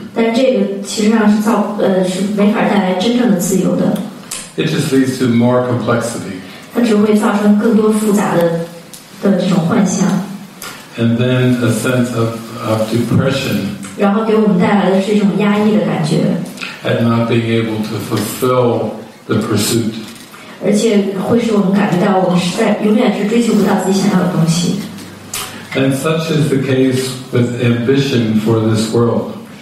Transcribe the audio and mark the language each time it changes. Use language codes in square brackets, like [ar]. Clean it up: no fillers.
[zh] 但这个其实上是造，是没法带来真正的自由的。 [en] It just leads to more complexity. [zh] 它只会造成更多复杂的这种幻象。 [en] And then a sense of depression. [zh] 然后给我们带来的是一种压抑的感觉。 [en] At not being able to fulfill the pursuit. [zh] 而且会使我们感觉到我们实在永远是追求不到自己想要的东西。 [en] And such is the case with ambition for this world.